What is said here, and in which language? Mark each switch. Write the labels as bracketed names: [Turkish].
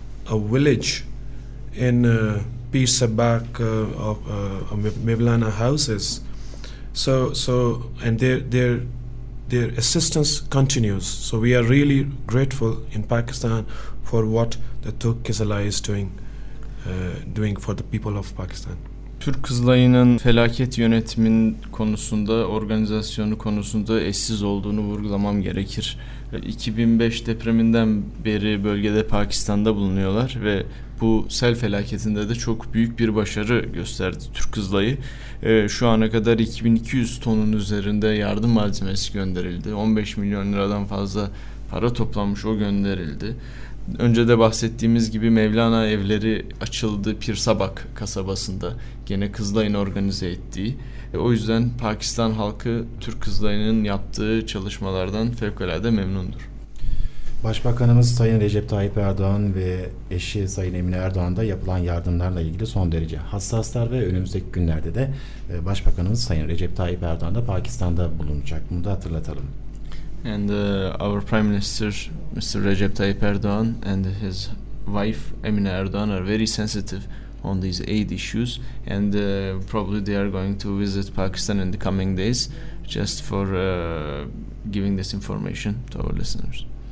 [English] a village in Pisa back of Mevlana houses. So and their assistance continues. So we are really grateful in Pakistan for what the Türk Kızılay is doing for the people of Pakistan. [Turkish] Türk Kızılayı'nın felaket yönetimin konusunda, organizasyonu konusunda eşsiz olduğunu vurgulamam gerekir. 2005 depreminden beri bölgede Pakistan'da bulunuyorlar ve bu sel felaketinde de çok büyük bir başarı gösterdi Türk Kızılayı. Şu ana kadar 2200 tonun üzerinde yardım malzemesi gönderildi. 15 milyon liradan fazla para toplanmış, o gönderildi. Önce de bahsettiğimiz gibi Mevlana evleri açıldı Pirsabak kasabasında. Gene Kızılay'ın organize ettiği. O yüzden Pakistan halkı Türk Kızılay'ın yaptığı çalışmalardan fevkalade memnundur. Başbakanımız Sayın Recep Tayyip Erdoğan ve eşi Sayın Emine Erdoğan da yapılan yardımlarla ilgili son derece hassaslar ve önümüzdeki günlerde de Başbakanımız Sayın Recep Tayyip Erdoğan da Pakistan'da bulunacak. Bunu da hatırlatalım. [English] And our Prime Minister, Mr. Recep Tayyip Erdoğan, and his wife, Emine Erdoğan, are very sensitive on these aid issues. And probably they are going to visit Pakistan in the coming days, just for giving this information to our listeners.